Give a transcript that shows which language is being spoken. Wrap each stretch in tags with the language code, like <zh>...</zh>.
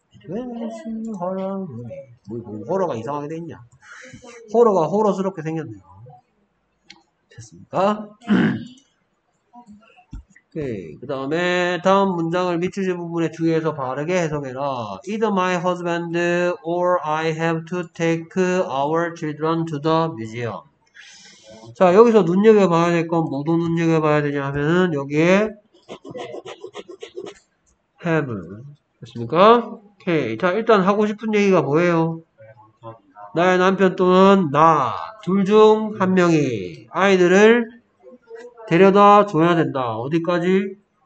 <ko>뭐 호러가 이상하게 됐냐? 호러가 호러스럽게 생겼네요. 됐습니까? 오케이. 그 다음에 다음 문장을 밑줄지 부분에 주의해서 바르게 해석해라.</ko> <en>Either my husband or I have to take our children to the museum.</en> <ko>자, 여기서 눈여겨봐야 될 건 뭐도 눈여겨봐야 되냐 하면은 여기에 have. 됐습니까? 오케이. 자, 일단 하고 싶은 얘기가 뭐예요? 나의 남편 또는 나 둘 중 한 명이 아이들을 데려다 줘야 된다. 어디까지?</ko>